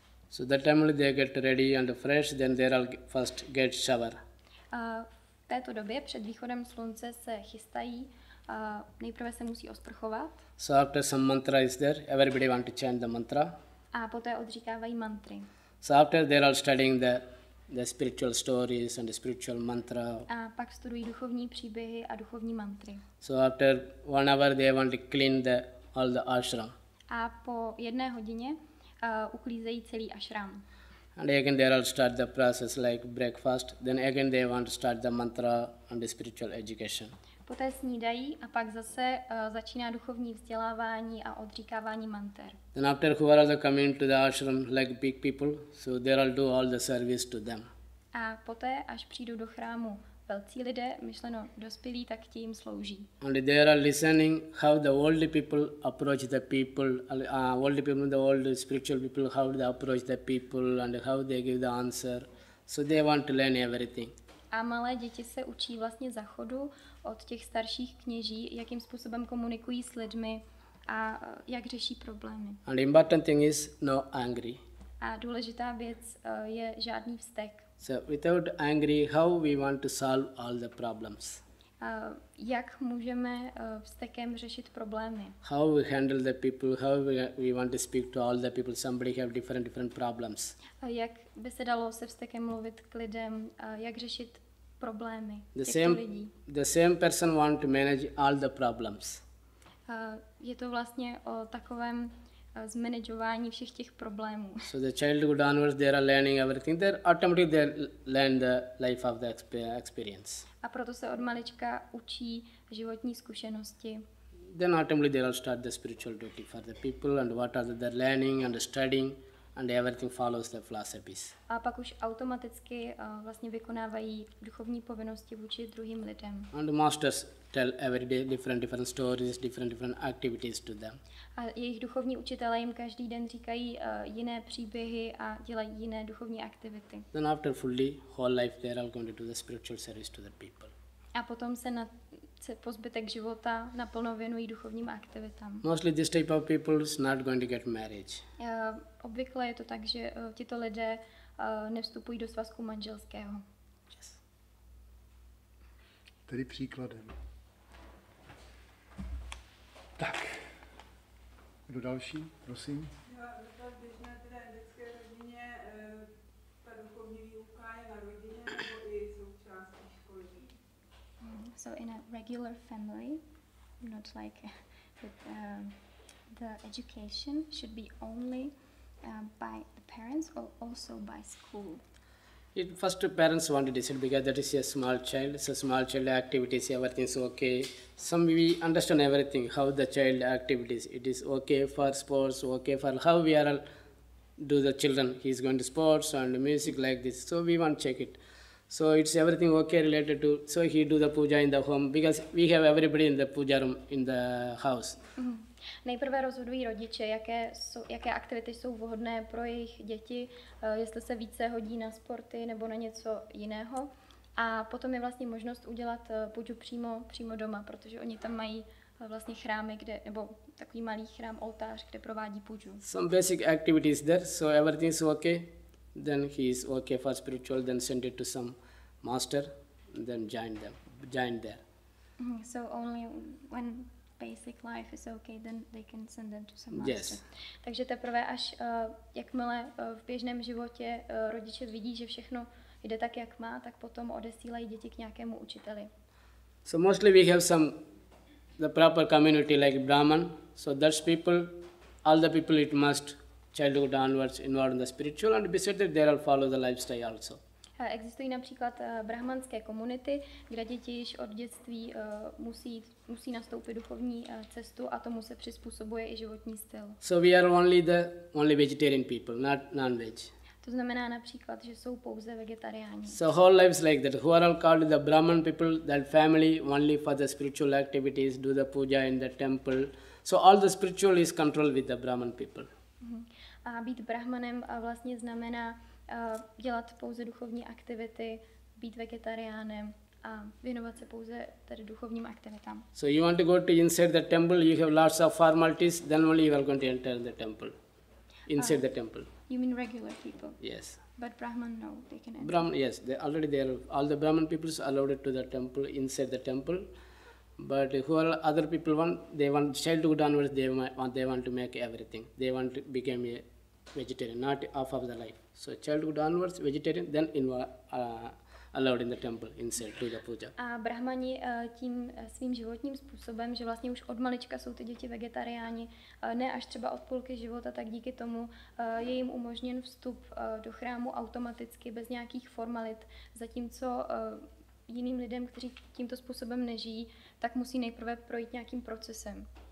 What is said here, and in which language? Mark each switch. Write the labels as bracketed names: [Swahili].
[English] So that time they get ready and fresh, then they all first get shower. [Czech] V této době před východem slunce se chystají. Nejprve se musí osprchovat. [English] So after some mantra is there, everybody want to chant the mantra. [Czech] A poté odříkávají mantry. [English] So after they are studying the the spiritual stories and the spiritual mantra. [Czech] A pak studují duchovní příběhy a duchovní mantry. [English] So after 1 hour they want to clean the all the ashram. [Czech] A po jedné hodině uklízejí celý ashram. [English] And again they all start the process like breakfast, then again they want to start the mantra and the spiritual education. [Czech] Poté snídají a pak zase začíná duchovní vzdělávání a odříkávání mantr. [English] Then after whoever they come into the ashram like big people, so they all do all the service to them. [Czech] A poté až přijdou do chrámu velcí lidé, myšleno dospělí, tak ti jim slouží. [English] And they are listening how the old people approach the people, old people, the old spiritual people, how they approach the people and how they give the answer. So they want to learn everything. [Czech] A malé děti se učí vlastně za chodu od těch starších kněží, jakým způsobem komunikují s lidmi a jak řeší problémy. [English] And important thing is no angry. [Czech] A důležitá věc je žádný vztek. [English] So without angry, how we want to solve all the problems? [Czech] Jak můžeme vztekem řešit problémy? [English] How we handle the people? How we want to speak to all the people? Somebody have different problems. [Czech] Jak by se dalo se vztekem mluvit k lidem? Jak řešit problémy těchto lidí? [English] The same person want to manage all the problems. [Czech] Je to vlastně o takovém zmanagování všech těch problémů. [English] So the childhood onwards they are learning everything. They automatically they learn the life of the experience. [Czech] A proto se od malička učí životní zkušenosti. [English] Then automatically they will start the spiritual duty for the people and what are they learning and studying and everything follows the philosophies. [Czech] A pak už automaticky vlastně vykonávají duchovní povinnosti vůči druhým lidem. [English] And the masters tell every day different stories, different activities to them. [Czech] A jejich duchovní učitelé jim každý den říkají jiné příběhy a dělají jiné duchovní aktivity. [English] Then after fully whole life they are all going to do the spiritual service to the people. [Czech] A potom se po zbytek života naplno věnují duchovním aktivitám. [English] Mostly this type of people is not going to get married. [Czech] Obvykle je to tak, že tito lidé nevstupují do svazku manželského. [English] Yes. [Czech] Tedy příkladem. Tak. Kdo další, prosím? Jo, v běžné teda indické rodině ta duchovní výuka je na rodině nebo i součástí školy? [English] So in a regular family, not like the education should be only by the parents or also by school? First parents want to decide because that is a small child, so small child activities, everything is okay. Some we understand everything, how the child activities, it is okay for sports, okay for how we are all do the children, he is going to sports and music like this, so we want to check it. So it's everything okay related to, so he do the puja in the home because we have everybody in the puja room in the house. Mm-hmm. [Czech] Nejprve rozhodují rodiče, jaké aktivity jsou vhodné pro jejich děti, jestli se více hodí na sporty nebo na něco jiného. A potom je vlastně možnost udělat puju přímo doma, protože oni tam mají vlastně chrámy, nebo takový malý chrám, oltář, kde provádí puju. [English] Some basic activities there, so everything is okay. Then he is okay for spiritual, then send it to some master, then join there. So only when basic life is okay, then they can send them to some master. Yes. [Czech] Takže teprve až jakmile v běžném životě rodiče vidí, že všechno jde tak, jak má, tak potom odesílají děti k nějakému učiteli. [English] So mostly we have the proper community like Brahman. So those people, all the people it must childhood onwards involved in the spiritual and besides that they all follow the lifestyle also. [Czech] Existují například brahmanské komunity, kde děti již od dětství musí nastoupit duchovní cestu a tomu se přizpůsobuje i životní styl. [English] So we are only the only vegetarian people, not non-veg. [Czech] To znamená například, že jsou pouze vegetariáni. [English] So whole lives like that, who are all called the Brahman people, that family only for the spiritual activities, do the puja in the temple. So all the spiritual is controlled with the Brahman people. [Czech] A být brahmanem vlastně znamená dělat pouze duchovní aktivity, být vegetariánem a věnovat se pouze tedy duchovním aktivitám. [English] So you want to go to inside the temple, you have lots of formalities, then only you are going to enter the temple. Inside the temple. You mean regular people? Yes. But Brahman, no, they can enter. All the Brahman people are allowed to the temple, inside the temple. But who are other people want? They want childhood onwards, they want to make everything. They want to become a vegetarian, not half of the life. So childhood onwards, vegetarian, then allowed in the temple, inside to the puja. [Czech] A brahmani tím svým životním způsobem, že vlastně už od malička jsou ty děti vegetariáni, ne až třeba od půlky života, tak díky tomu je jim umožněn vstup do chrámu automaticky, bez nějakých formalit, zatímco jiným lidem, kteří tímto způsobem nežijí, tak musí nejprve projít nějakým procesem.